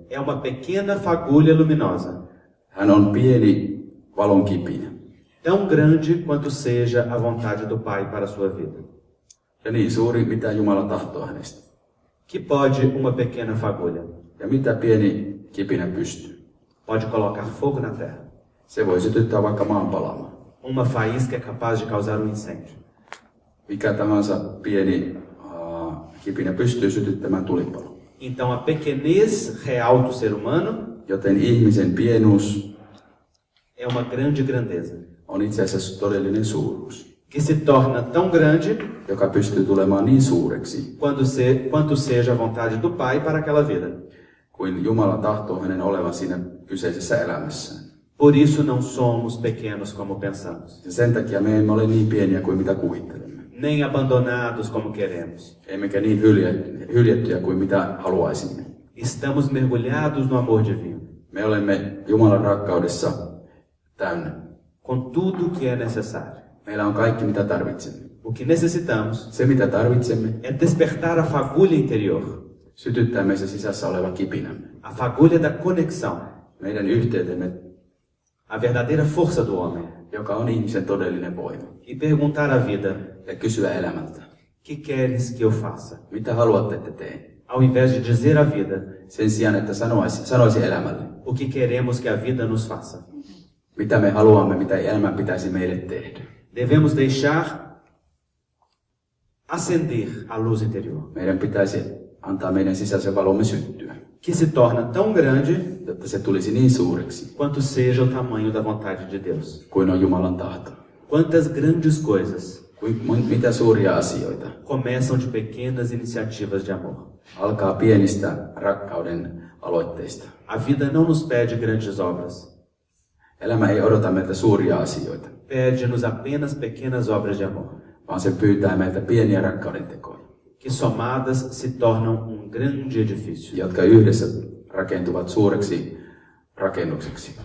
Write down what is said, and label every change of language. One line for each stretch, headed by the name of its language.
Portuguese: É uma pequena fagulha luminosa.
Finnish: Hän on pieni valonkipinä.
Portuguese: Tão grande quanto seja a vontade do Pai para a sua vida.
Finnish: Ja niin suuri, mitä Jumala tahtoo hänestä.
Portuguese: Que pode uma pequena fagulha?
Finnish: Ja mitä pieni kipinä pystyy?
Portuguese: Pode colocar fogo na terra.
Finnish: Se voi sytyttää vaikka maan palamaan.
Portuguese: Uma faísca é capaz de causar incêndio.
Finnish: Mikä tahansa pieni kipinä pystyy sytyttämään tulipalon.
Portuguese: Então a pequenez real do ser humano.
Finnish: Joten ihmisen pienuus.
Portuguese: É uma grande grandeza.
Finnish: On itse asiassa todellinen suuruus.
Portuguese: Que se torna tão grande.
Finnish: Joka pystyy tulemaan niin suureksi.
Portuguese: Quanto seja a vontade do Pai para aquela vida.
Finnish: Kuin Jumala tahtoo hänen olevan siinä kyseisessä elämässä.
Portuguese: Por isso não somos pequenos como pensamos.
Finnish: Ja sen takia me emme ole niin pieniä kuin mitä kuvittelemme.
Portuguese: Nem abandonados como queremos.
Finnish: Emmekä niin hyljättyjä kuin mitä haluaisimme.
Portuguese: Estamos mergulhados no amor divino.
Finnish: Me olemme Jumalan rakkaudessa täynnä.
Portuguese: Com tudo que é necessário.
Finnish: Meillä on kaikki mitä tarvitsemme.
Portuguese: O que necessitamos.
Finnish: Se mitä tarvitsemme.
Portuguese: É despertar a fagulha interior.
Finnish: Sytyttää meissä sisässä oleva kipinä.
Portuguese: A fagulha da conexão.
Finnish: Meidän yhteytemme.
Portuguese: A verdadeira força do homem.
Finnish: Joka on ihmisen todellinen voima.
Portuguese: E perguntar à vida.
Finnish: Ja kysyä elämältä.
Portuguese: Que queres que eu faça?
Finnish: Mitä haluatte, että teen?
Portuguese: Ao invés de dizer à vida.
Finnish: Sen sijaan, että sanoisi elämälle.
Portuguese: O que queremos que a vida nos faça?
Finnish: Mitä me haluamme, mitä elämä pitäisi meille tehdä?
Portuguese: Devemos deixar acender a luz interior.
Finnish: Meidän pitäisi antaa meidän sisäisen valomme syttyä.
Portuguese: Que se torna tão grande,
Finnish: että se tulisi niin suureksi.
Portuguese: Quanto seja o tamanho da vontade de Deus.
Finnish: Kuin on Jumalan tahto.
Portuguese: Quantas grandes coisas.
Finnish: Mitä suuria asioita.
Portuguese: Começam de pequenas iniciativas de amor.
Finnish: Alkaa pienistä rakkauden aloitteista.
Portuguese: A vida não nos pede grandes obras.
Finnish: Elämä ei odota meiltä suuria asioita.
Portuguese: Pede-nos apenas pequenas obras de amor.
Finnish: Vaan se pyytää meiltä pieniä rakkauden tekoja.
Portuguese: Que somadas se tornam um grande edifício.
Finnish: Jotka yhdessä rakentuvat suureksi rakennukseksi.